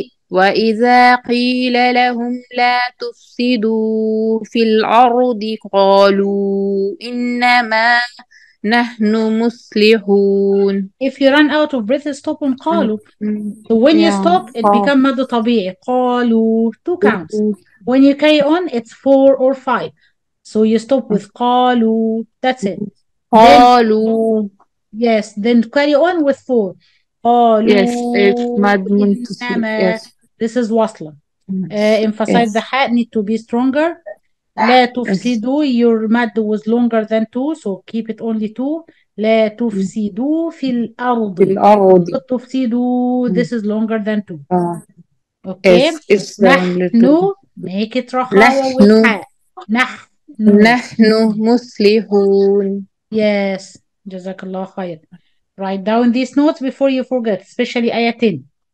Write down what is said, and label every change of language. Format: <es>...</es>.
<ar>وإذا قيل لهم لا تفسدوا في الأرض قالوا إنما نحن مصلحون.</ar> <en>If you run out of breath, stop on قالوا. So when you يا stop, it become مد طبيعي. قالوا. Two counts. When you carry on, it's four or five. So you stop with قالوا. That's it. Then,</en> <ar>قالوا</ar> <en>yes, then carry on with four.</en> <ar>قالوا</ar> <en>yes it's mad منتصب</en> <ar>إنما.</ar> <en>yes This is وصلة. yes Emphasize the ha need to be stronger. لا yes</en> <ar>تفسدوا.</ar> <en>Your mad was longer than two, so keep it only two.</en> <ar>لا تفسدوا في الأرض. بالأرض</ar> <en>Not تفسدوا. This is longer than two. Okay. yes it's</en> <ar>نحن</ar> <en>little Make it</en> <ar>رخاوة والحاء نحن نحن مصلحون.</ar> <en>yes</en> <ar>جزاك الله خير</ar> <en>write down these notes before you forget especially آيتين</en>